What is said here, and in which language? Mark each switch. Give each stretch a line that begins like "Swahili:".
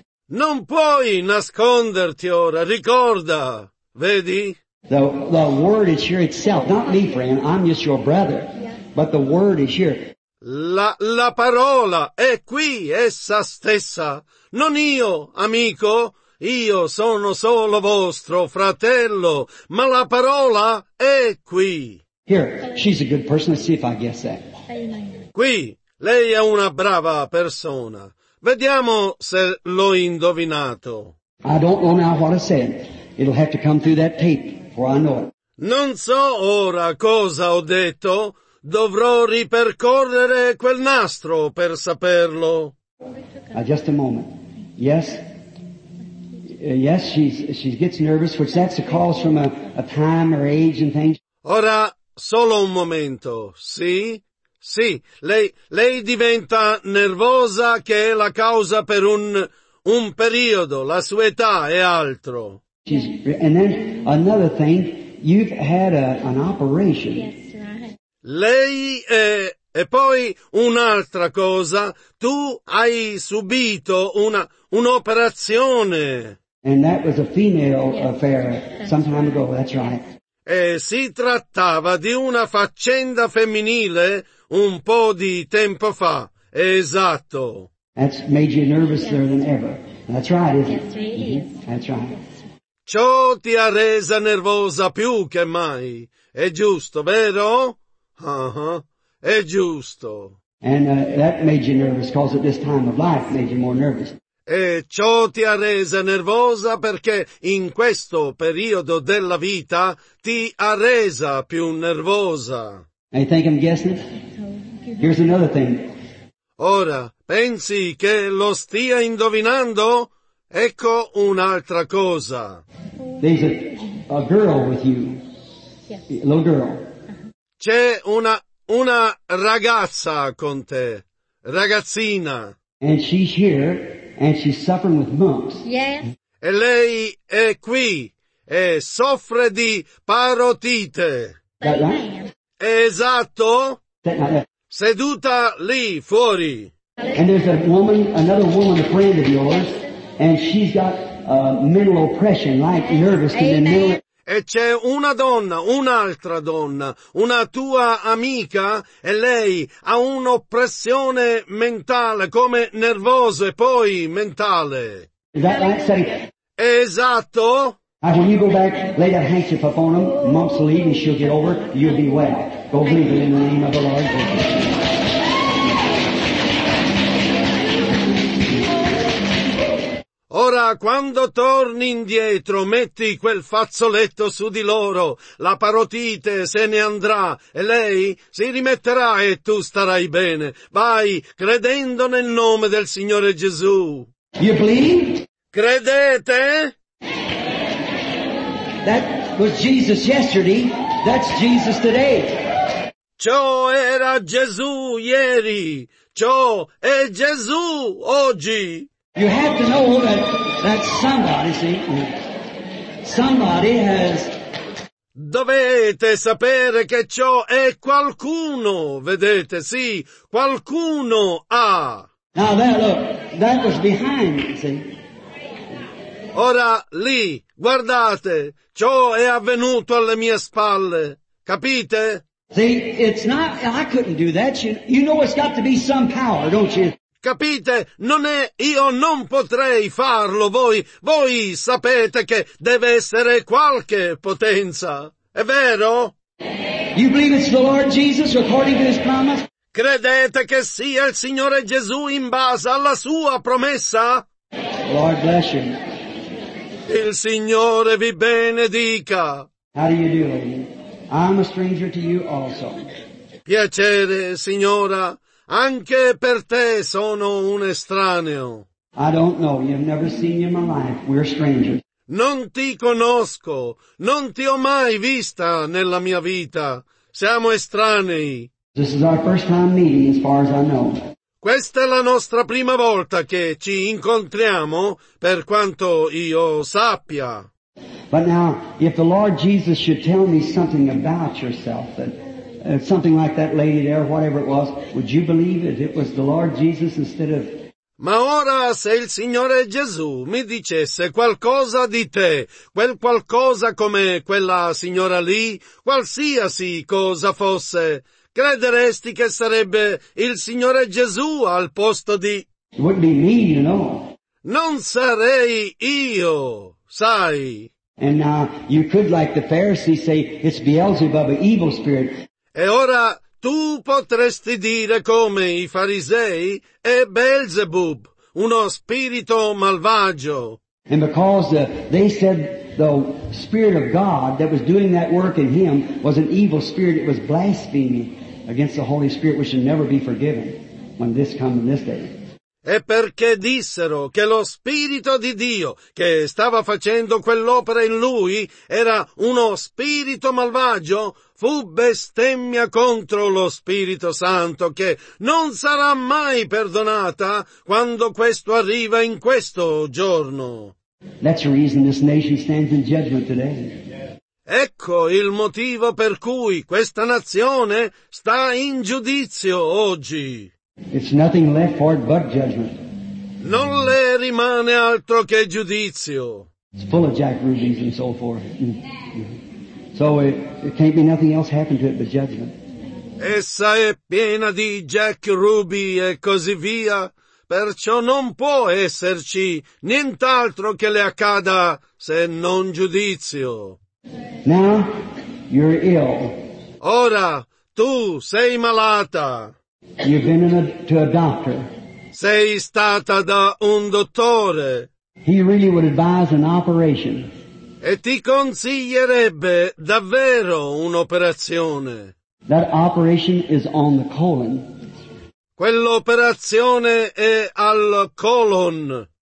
Italian: Non puoi nasconderti ora, ricorda, vedi?
English: The word is here itself, not me, friend, I'm just your brother, but the word is here.
Italian: La parola è qui, essa stessa. Non io, amico, io sono solo vostro fratello, ma la parola è qui.
English: Here, she's a good person. Let's see if I guess that.
Italian: Qui, lei è una brava persona. Vediamo se l'ho indovinato.
English: I don't know now what I said. It'll have to come through that tape before I know it.
Italian: Non so ora cosa ho detto. Dovrò ripercorrere quel nastro per saperlo.
English: Just a moment. Yes. Yes, she gets nervous, which that's a cause from a time or age and things.
Italian: Ora, solo un momento. Sì? Sì. Lei diventa nervosa, che è la causa per un periodo, la sua età e altro.
English: And then another thing, you've had an operation.
Italian: Lei e poi un'altra cosa, tu hai subito un'operazione.
English: And that was a female affair some time ago, that's right.
Italian: E si trattava di una faccenda femminile un po' di tempo fa, esatto.
English: That's made you nervouser than ever. That's right, isn't it? That's right.
Italian: Ciò ti ha resa nervosa più che mai, è giusto, vero? È giusto.
English: And that made you nervous, 'cause at this time of life made you more nervous.
Italian: E ciò ti ha resa nervosa perché in questo periodo della vita ti ha resa più nervosa.
English: And you think I'm guessing it? Here's another thing.
Italian: Ora, pensi che lo stia indovinando? Ecco un'altra cosa.
English: There's a girl with you. Yeah. A little girl.
Italian: C'è una ragazza con te. Ragazzina.
English: And she's here. And she's suffering with mumps. Yeah.
Italian: E lei è qui e soffre di parotite.
English: Right?
Italian: Esatto. Seduta lì fuori.
English: And there's a woman, another woman, a friend of yours, and she's got mental oppression, like nervous.
Italian: E c'è una donna, un'altra donna, una tua amica, e lei ha un'oppressione mentale, come nervoso e poi mentale.
English: Is that right, Sonny?
Italian: Esatto.
English: Now, when you go back, lay that handkerchief upon them, mumps will leave and she'll get over, you'll be well. Go leave it in the name of the Lord.
Italian: Ora, quando torni indietro, metti quel fazzoletto su di loro, la parotite se ne andrà, e lei si rimetterà e tu starai bene. Vai, credendo nel nome del Signore Gesù.
English: You believe?
Italian: Credete?
English: That was Jesus yesterday, that's Jesus today.
Italian: Ciò era Gesù ieri, ciò è Gesù oggi.
English: You have to know that somebody, see, somebody has...
Italian: Dovete sapere che ciò è qualcuno, vedete, sì, qualcuno ha.
English: Now there, look, that was behind, see.
Italian: Ora, lì, guardate, ciò è avvenuto alle mie spalle, capite?
English: See, it's not, I couldn't do that, you know it's got to be some power, don't you?
Italian: Capite? Non è, io non potrei farlo, voi sapete che deve essere qualche potenza, è vero?
English: You believe it's the Lord Jesus according to his promise?
Italian: Credete che sia il Signore Gesù in base alla sua promessa?
English: Lord bless you.
Italian: Il Signore vi benedica.
English: How do you do, lady? I'm a stranger to you also.
Italian: Piacere, signora. Anche per te sono un estraneo.
English: I don't know. You've never seen you in my life. We're strangers.
Italian: Non ti conosco. Non ti ho mai vista nella mia vita. Siamo estranei.
English: This is our first time meeting, as far as I know.
Italian: Questa è la nostra prima volta che ci incontriamo, per quanto io sappia.
English: But now, if the Lord Jesus should tell me something about yourself, that something like that lady there, whatever it was, would you believe it? It was the Lord Jesus instead of...
Italian: Ma ora, se il Signore Gesù mi dicesse qualcosa di te, quel qualcosa come quella signora lì, qualsiasi cosa fosse, crederesti che sarebbe il Signore Gesù al posto di...
English: It wouldn't be me, you know.
Italian: Non sarei io, sai.
English: And now, you could, like the Pharisees say, it's Beelzebub, an evil spirit.
Italian: E ora tu potresti dire come i farisei è Beelzebub, uno spirito malvagio.
English: And because they said the spirit of God that was doing that work in him was an evil spirit, it was blaspheming against the Holy Spirit, which should never be forgiven when this comes in this day.
Italian: E perché dissero che lo Spirito di Dio che stava facendo quell'opera in lui era uno spirito malvagio, fu bestemmia contro lo Spirito Santo che non sarà mai perdonata quando questo arriva in questo giorno.
English: That's the reason this nation stands in judgment today.
Italian: Ecco il motivo per cui questa nazione sta in giudizio oggi.
English: It's nothing left for it but judgment.
Italian: Non le rimane altro che giudizio.
English: It's full of Jack Rubies and so forth. So it can't be nothing else happened to it but judgment.
Italian: Essa è piena di Jack Ruby e così via, perciò non può esserci nient'altro che le accada se non giudizio.
English: Now you're ill.
Italian: Ora tu sei malata.
English: You've been to a doctor.
Italian: Sei stata da un dottore.
English: He really would advise an operation.
Italian: E ti consiglierebbe davvero un'operazione.
English: That operation is on the colon.
Italian: Quell'operazione è al colon.